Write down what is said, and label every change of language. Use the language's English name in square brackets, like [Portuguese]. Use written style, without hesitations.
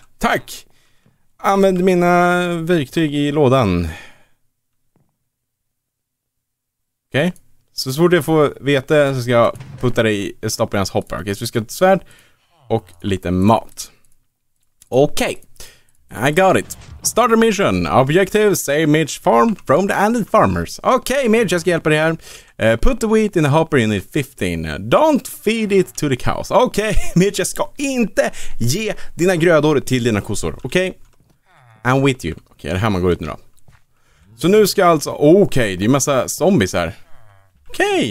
[Swedish] Tack! Använd mina verktyg i lådan. Okej. Okay. Så fort jag får veta så ska jag putta dig, stoppa i hans hopper. Okej, så vi ska ha ett svärd och lite mat. [English] Okej, okay. I got it. Starter mission, objective, save Mitch farm from the Andean farmers. [Swedish] Okej, okay, Mitch, jag ska hjälpa dig här. [English] Put the wheat in the hopper unit 15. Don't feed it to the cows. [Swedish] Okej, okay, Mitch, jag ska inte ge dina grödor till dina kossor. [English] Okej, okay. I'm with you. [Swedish] Okej, okay, är det här man går ut nu då? Så nu ska alltså, okej, det är massa zombies här. Okej.